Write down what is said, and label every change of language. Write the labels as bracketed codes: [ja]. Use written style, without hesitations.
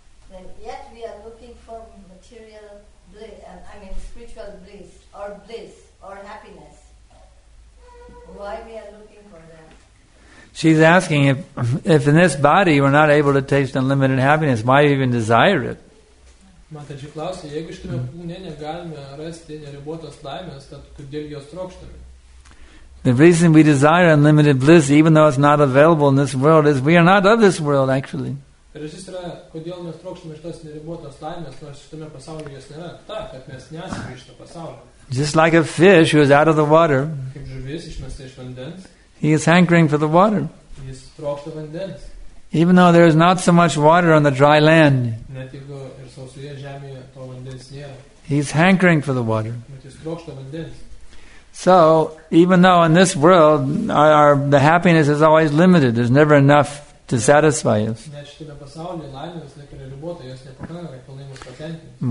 [en] Then yet we are looking for material bliss, spiritual bliss or happiness. Why we are looking for that? She's asking if in this body we're not able to taste unlimited happiness, why even desire it? [lt] Mataji klausia, jeigu šitame kūne negalime rasti neribotos laimės, tad kodėl jos trokštame? [en] The reason we desire unlimited bliss, even though it's not available in this world, is we are not of this world, actually. [lt] Priežastis, kodėl mes trokštame šitos neribotos laimės, nors šitame pasaulyje jos nėra, ta, kad mes nesame iš to pasaulio. [en] Just like a fish who is out of the water. [lt] Kaip žuvis išmesta iš vandens. [en] He is hankering for the water. [lt] Jis trokšta vandens. [en] Even though there is not so much water on the dry land, [lt] net jeigu ir sausoje žemėje to vandens nėra. [en] He is hankering for the water. [lt] Bet jis trokšta vandens. [en] So, even though in this world the happiness is always limited, there's never enough to satisfy us. [lt] Net šitame pasaulyje laimės nėra ribota, jos nepakanka pilnai mus patenkinti.